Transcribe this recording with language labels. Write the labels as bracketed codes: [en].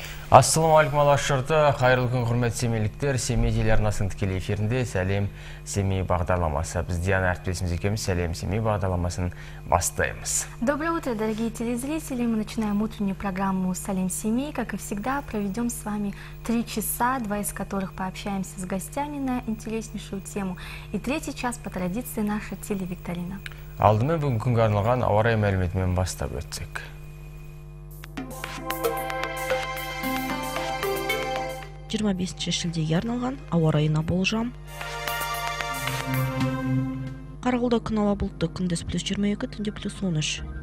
[kk] Ассаламу алейкум алаш жұрты, қайырлы күн құрметті семейліктер, Семей телеарнасының тікелей эфирінде сәлем Семей бағдарламасы. Біз Диана әріптесіміз екеуміз сәлем Семей бағдарламасын бастаймыз. [ru] Доброе утро, дорогие телезрители, мы начинаем утреннюю программу «Салем Семей». Как и всегда, проведем с вами 3 часа, 2 из которых пообщаемся с гостями на интереснейшую тему. И 3-й час по традиции наша телевикторина. [kk] Алдымен бүгін күнге арналған ауа райы мәліметімен бастап өтсек. Жиырма бесінші шілдеге арналған ауа райына болжам. Қарғалда күн ала бұлтты, күндіз +22, түнде +13.